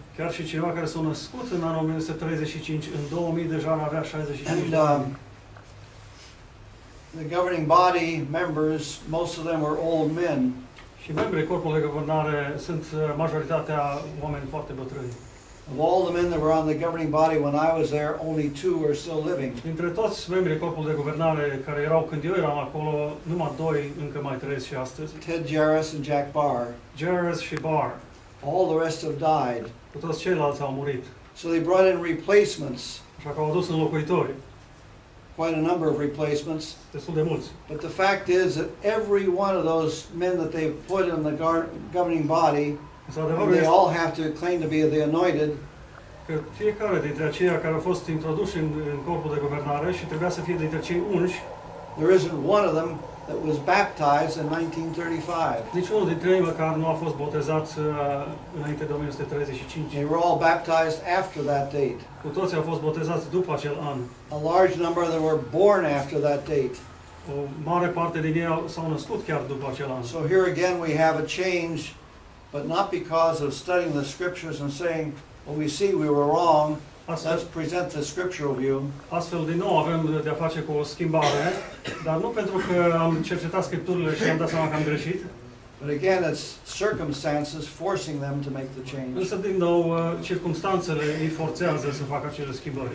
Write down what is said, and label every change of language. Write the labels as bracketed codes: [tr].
[ro] Chiar și cineva care s-a născut în anul 1935, în 2000 deja ar avea 65 de ani. [en] The governing body members, most of them were old men. [ro] Și membrii corpului de guvernare sunt majoritatea oameni foarte bătrâni. [en] Of all the men that were on the governing body when I was there, only two are still living. [ro] Dintre toți membrii corpului de guvernare care erau când eu eram acolo, numai doi încă mai trăiesc și astăzi. [en] Ted Jarrus and Jack Barr. [ro] Jarrus și Barr. [en] All the rest have died. [ro] Toți ceilalți au murit. [en] So they brought in replacements. [ro] Așa că au adus înlocuitori. [en] Quite a number of replacements. [ro] Destul de mulți. [en] But the fact is that every one of those men that they've put in the governing body, they all have to claim to be the anointed. [ro] Că fiecare dintre aceia care au fost introduși în corpul de guvernare și trebuia să fie dintre cei unși. [en] There isn't one of them that was baptized in 1935. [ro] Niciunul dintre ei măcar nu a fost botezat înainte de 1935. [en] They were all baptized after that date. [ro] Cu toții au fost botezați după acel an. [en] A large number of them were born after that date. [ro] O mare parte din ei s-au născut chiar după acel an. [en] So here again we have a change, but not because of studying the scriptures and saying, well, we see we were wrong. Let's present the scriptural view. [ro] Astfel, din nou, avem de-a face cu o schimbare, dar nu pentru că am cercetat scripturile și am dat seama că am greșit. [en] But again, it's circumstances forcing them to make the change. [ro] Însă, din nou, circumstanțele îi forțează să facă acele schimbări.